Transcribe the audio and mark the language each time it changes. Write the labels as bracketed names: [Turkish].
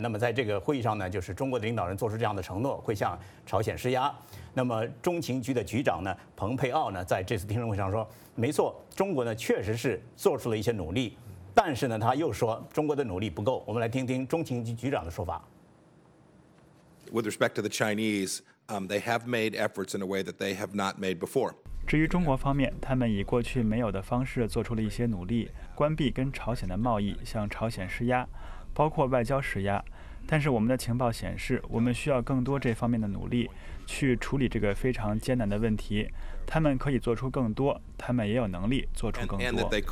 [Chinese] 那么在这个会议上呢，就是中国的领导人做出这样的承诺，会向朝鲜施压。那么中情局的局长呢蓬佩奥呢在这次听证会上说，没错，中国呢确实是做出了一些努力，但是呢他又说中国的努力不够。我们来听听中情局局长的说法。 [English] With respect to the Chinese, they have made efforts in a way that they have not made before. [Chinese] 至于中国方面，他们以过去没有的方式做出了一些努力，关闭跟朝鲜的贸易，向朝鲜施压，包括外交施压。但是我们的情报显示，我们需要更多这方面的努力去处理这个非常艰难的问题。他们可以做出更多，他们也有能力做出更多。